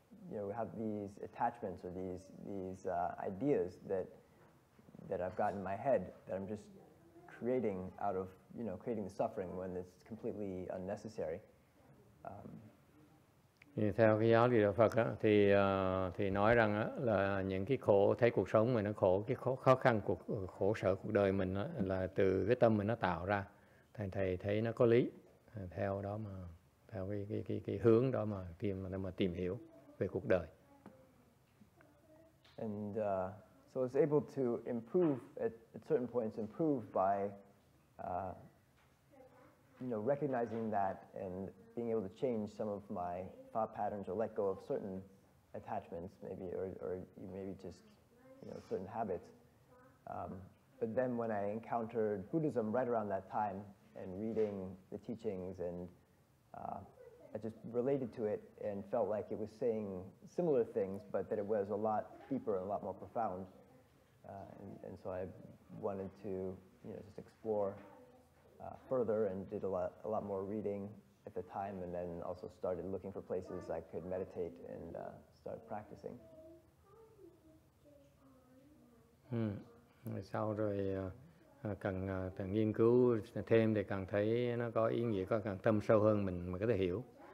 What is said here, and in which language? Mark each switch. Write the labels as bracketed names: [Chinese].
[English] you know, we have these attachments or these ideas that I've got in my head that I'm just creating out of, you know, creating the suffering when it's completely unnecessary. [Vietnamese] Theo cái giáo lý đạo Phật á, thì nói rằng á, là những cái khổ thấy cuộc sống mình nó khổ, cái khó khăn cuộc khổ sở cuộc đời mình á, là từ cái tâm mình nó tạo ra. Thầy thấy nó có lý, theo đó mà theo cái hướng đó mà tìm hiểu về cuộc đời. [English] And so I was able to improve at certain points, improve by you know, recognizing that and being able to change some of my thought patterns or let go of certain attachments, maybe, or maybe just, you know, certain habits. But then when I encountered Buddhism right around that time and reading the teachings, and I just related to it and felt like it was saying similar things, but that it was a lot deeper and a lot more profound. And so I wanted to, you know, just explore further, and did a lot more reading at the time, and then also started looking for places I could meditate and start practicing. [Vietnamese] Sau rồi càng càng nghiên cứu thêm thì càng thấy nó có ý nghĩa, có càng tâm sâu hơn mình mới có thể hiểu.